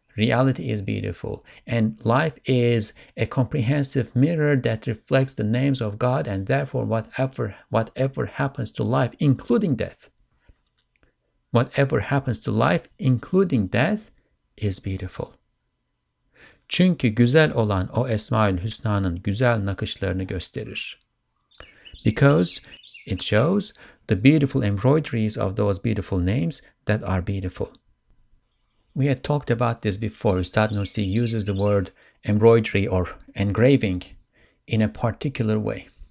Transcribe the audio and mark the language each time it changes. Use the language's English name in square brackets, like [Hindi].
[English] Reality is beautiful. And life is a comprehensive mirror that reflects the names of God, and therefore whatever happens to life, including death, whatever happens to life, including death, is beautiful. [Turkish] Çünkü güzel olan o Esma-ül Hüsna'nın güzel nakışlarını gösterir. [English] Because it shows the beautiful embroideries of those beautiful names that are beautiful. We had talked about this before. Üstad Nursi uses the word embroidery or engraving in a particular way.